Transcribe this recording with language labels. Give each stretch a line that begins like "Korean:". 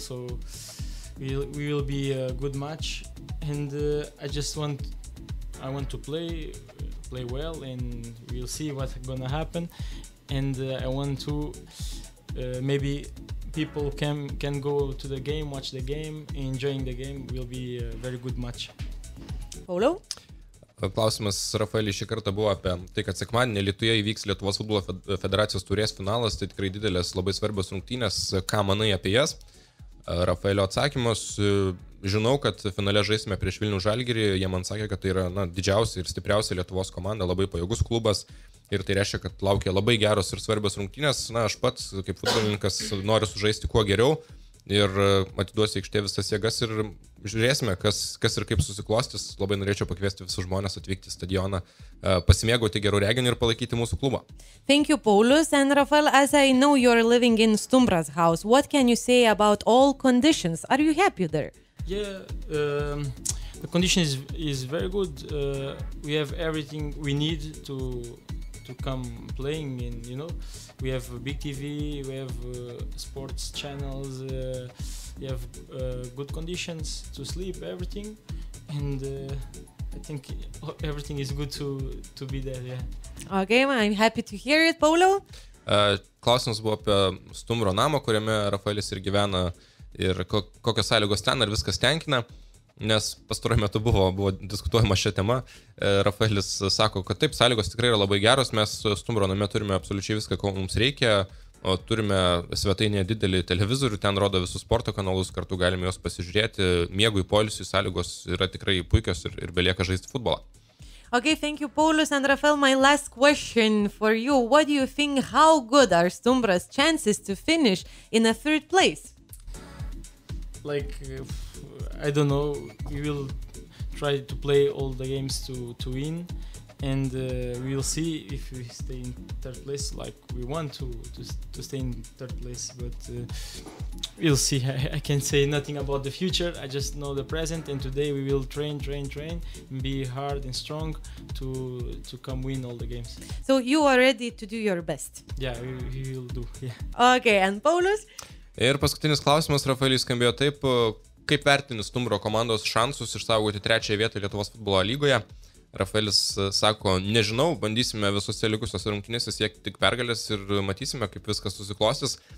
English: So we will be a good match, and I want to play well, and we'll see what's gonna happen. And I want to maybe people can go to the game, watch the game, enjoying the game. Will be a very good match. Paulo?
Lithuanian: Klausimas Rafaeliui šį kartą buvo apie tai, kad sekmadienį Lietuvoje įvyks Lietuvos futbolo federacijos turės finalas, tai tikrai didelės, labai svarbios rungtynės, ką manai apie jas? Rafaelio atsakymas, žinau, kad finale žaisime prieš Vilnių Žalgirį, jie man sakė, kad tai yra na, didžiausia ir stipriausia Lietuvos komanda, labai pajėgus klubas ir tai reiškia, kad laukia labai geros ir svarbios rungtynės, na, aš pats kaip futbolininkas noriu sužaisti kuo geriau. Ir atiduosiu aikštė visas jėgas ir žiūrėsime, kas ir kaip susiklostis. Labai norėčiau pakviesti visus žmonės atvykti į stadioną, pasimėgauti gerų reginių ir palaikyti mūsų klubą.
English: Thank you, Paulus. And Rafael, as I know you're living in Stumbras house, what can you say about all conditions? Are you happy there? Yeah, the condition is very good. We have everything we need to come playing in, you know. We have a big TV, we have sports channels, we have good conditions to sleep, everything. And I think everything is good to be there, yeah. Okay, well, I'm happy to hear it, Paulo.
Lithuanian: Klausimas buvo apie Stumbro namą, kuriame Rafaelis ir gyvena, ir kokios sąlygos ten, ar viskas tenkina. Nes pastaruoju metu buvo diskutuojama šią temą. Rafaelis sako, kad taip, sąlygos tikrai yra labai geros, mes Stumbro name turime absoliučiai viską, ko mums reikia, o turime svetainėje didelį televizorių, ten rodo visus sporto kanalus, kartu galime juos pasižiūrėti, miegui, poilsiui, sąlygos yra tikrai puikios ir belieka žaisti futbolą.
English: Okay, thank you, Paulus and Rafael. My last question for you, what do you think, how good are Stumbras chances to finish in a third place? Like, I don't know, we will try to play all the games to win, and we'll see if we stay in third place, like we want to stay in third place, but we'll see. I can say nothing about the future, I just know the present, and today we will train, and be hard and strong to come win all the games. So you are ready to do your best? Yeah, we will do, yeah. Okay, and Paulus?
Lithuanian: Ir paskutinis klausimas, Rafaelis, skambėjo taip, kaip vertini Stumbro komandos šansus išsaugoti trečią vietą Lietuvos futbolo lygoje? Rafaelis sako, nežinau, bandysime visose likusios rungtynėse siekti tik pergalės ir matysime, kaip viskas susiklostys.